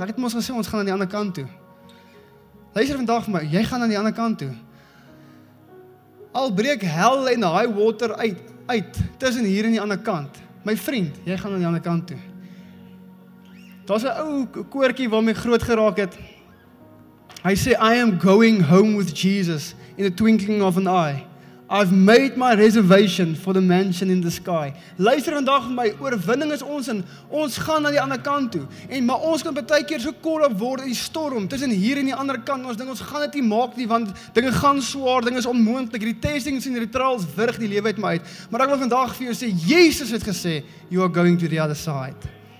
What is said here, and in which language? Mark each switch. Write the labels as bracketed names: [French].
[Afrikaans] Ek het mos gesê ons gaan aan die ander kant toe. Luister vandag vir my, jy gaan aan die ander kant toe. Al breek hel en [English] high water [Afrikaans] uit tussen hier en die ander kant. My vriend, jy gaan aan die ander kant toe. Daar is 'n ou koortjie waarmee groot geraak het. Hy sê, [English] I am going home with Jesus in the twinkling of an eye. I've made my reservation for the mansion in the sky. [Afrikaans] Luister vandag vir my, oorwinning is ons en ons gaan na die ander kant toe. En maar ons kan baie keer so korrup word in die storm, tussen hier en die ander kant. Ons dink ons gaan dit nie maak nie, want dinge gaan swaar, dinge is onmoontlik. Die testings en die trials wurg die lewe uit my uit. Maar ek wil vandag vir jou sê, Jesus het gesê, [English] you are going to the other side.